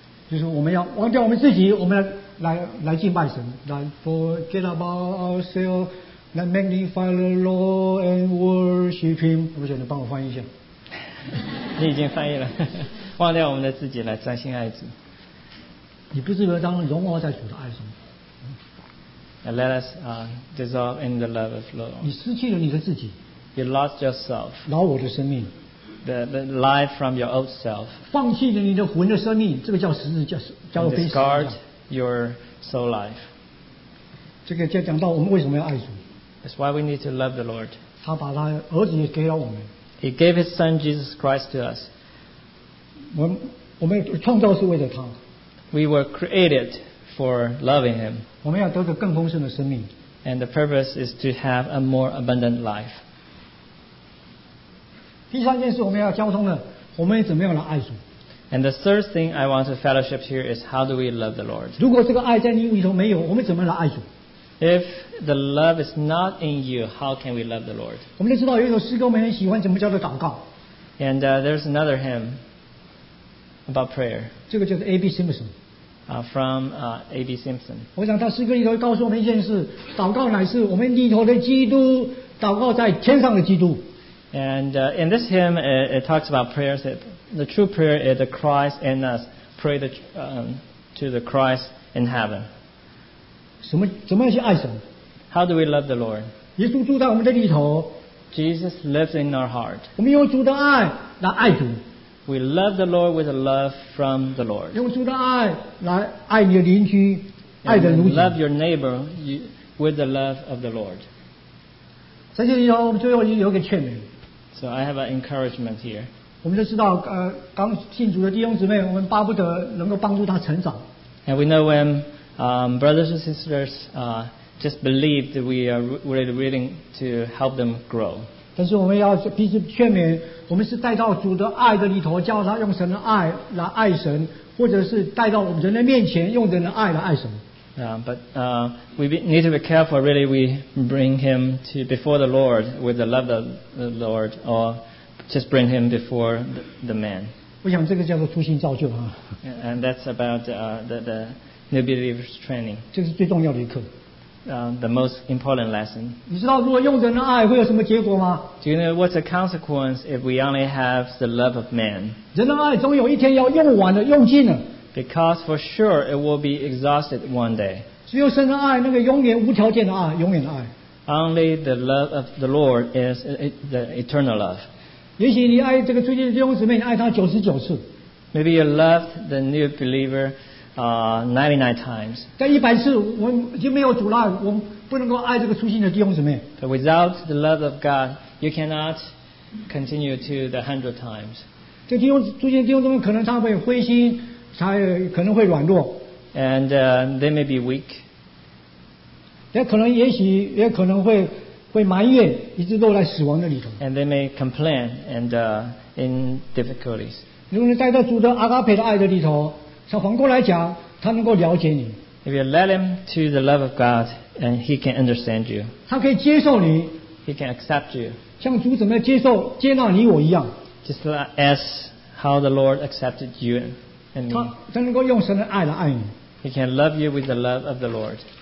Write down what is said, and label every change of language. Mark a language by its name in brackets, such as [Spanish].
[Chinese] 就是我们要忘掉我们自己，我们来敬拜神。 [English] Not forget about ourselves, let magnify the Lord and worship Him. [Chinese] 我想你帮我翻译一下。你已经翻译了，忘掉我们的自己，来专心爱主。你不是应当融化在主的爱中。 [English] And let us dissolve in the love of Lord. [Chinese] 你失去了你的自己。 [English] You lost yourself. [Chinese] 老我的生命。 [English] The life from your old self. [Chinese] 放弃了你的魂的生命，这个叫十字架，叫被杀。 [English] Discard your soul life. [Chinese] 这个就讲到我们为什么要爱主。 [English] That's why we need to love the Lord. [Chinese] 他把他儿子也给了我们。 [English] He gave his son Jesus Christ to us. [Chinese] 我们创造是为了他。 [English] We were created for loving Him. [Chinese] 我们要得到更丰盛的生命。 [English] And the purpose is to have a more abundant life. [Chinese] 第三件事我们要交通的，我们怎么样来爱主 [English] ？And the third thing I want to fellowship here is how do we love the Lord? [Chinese] 如果这个爱在你里头没有，我们怎么来爱主 [English] ？If the love is not in you, how can we love the Lord? [Chinese] 我们都知道有一首诗歌我们很喜欢，怎么叫做祷告 [English] ？And there's another hymn. About prayer. [Chinese] 这个就是 A.B. Simpson. [English] From A.B. Simpson. [Chinese] 我想他诗歌里头告诉我们一件事：祷告乃是我们里头的基督，祷告在天上的基督。 [English] And in this hymn, it talks about prayers. The true prayer is the Christ in us, pray the, to the Christ in heaven. [Chinese] 怎么样去爱神? [English] How do we love the Lord? [Chinese] 耶稣住在我们的里头, [English] Jesus lives in our heart. [Chinese] 我们用主的爱来爱主, [English] we love the Lord with a love from the Lord. [Chinese] 用主的爱来爱你的邻居, [English] and love your neighbor with the love of the Lord. [Chinese] 在这里头, [English] so I have an encouragement here. [Chinese] 我们就知道, 刚信主的弟兄姊妹, 我们巴不得能够帮助他成长。 [English] And we know when brothers and sisters just believe that we are really willing to help them grow. [Chinese] 但是我们要彼此劝勉, 我们是带到主的爱的里头,叫他用神的爱来爱神, 或者是带到人的面前, 用人的爱来爱神。 [English] But we need to be careful, really, we bring him to before the Lord with the love of the Lord, or just bring him before the man. [Chinese] 我想这个叫做初心造就, [English] and that's about the new believers training. [Chinese] 这是最重要的一课, [English] the most important lesson. [Chinese] 你知道如果用人的爱, 会有什么结果吗? [English] Do you know what's the consequence if we only have the love of man? [Chinese] 人的爱总有一天要用完了, 用尽了。 [English] Because for sure it will be exhausted one day. [Chinese] 只有神的爱, 那个永远无条件的爱, 永远的爱。 [English] Only the love of the Lord is the eternal love. [Chinese] 也许你爱这个初心的弟兄姊妹, 你爱他99次。 [English] Maybe you loved the new believer 99 times. [Chinese] 但100次, 我们已经没有主了, 我们不能够爱这个初心的弟兄姊妹。 [English] But without the love of God, you cannot continue to the 100 times. [Chinese] 这弟兄,初心的弟兄姊妹可能他会灰心, 才可能会软弱, [English] and they may be weak. [Chinese] 也可能会埋怨, 一直落在死亡的里头。 [English] And they may complain and in difficulties. [Chinese] 如果你带到主的阿嘎培的爱的里头, 像反过来讲, 他能够了解你。 [English] If you let him to the love of God, and he can understand you. [Chinese] 他可以接受你, [English] he can accept you. [Chinese] 像主怎么接受, 接纳你我一样。 [English] Just as how the Lord accepted you. And he can love you with the love of the Lord.